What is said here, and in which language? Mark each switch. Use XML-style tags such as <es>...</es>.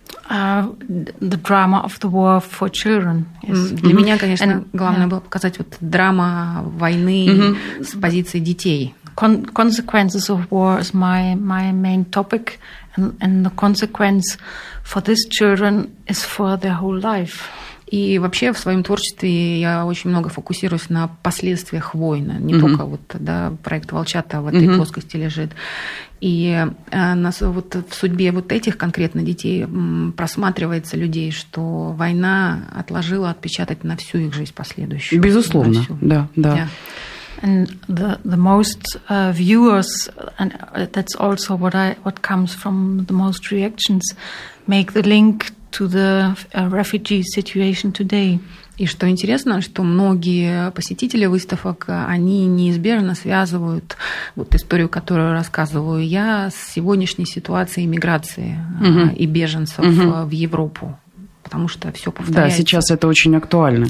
<en>The drama of the war for children. Yes.</en> <ru>Для меня, конечно, And, главное было показать вот драма войны с позиции детей.</ru> <en>Consequences of war is my main topic. And the consequence for these children is for their whole life.</en> <ru>И вообще в своем творчестве я очень много фокусируюсь на последствиях войны. Не только вот, да, проект «Волчата» в этой плоскости лежит. И на, вот, в судьбе вот этих конкретно детей просматривается людей, что война отложила отпечатать на всю их жизнь последующую. Безусловно, да, да.</ru> <en>And the most viewers, and that's also what I what comes from the most reactions, make the link to the refugee situation today.</en> <ru>И что интересно, что многие посетители выставок, они неизбежно связывают вот историю, которую рассказываю я, с сегодняшней ситуацией миграции и беженцев в Европу, потому что все повторяется. Да, сейчас это очень актуально.</ru>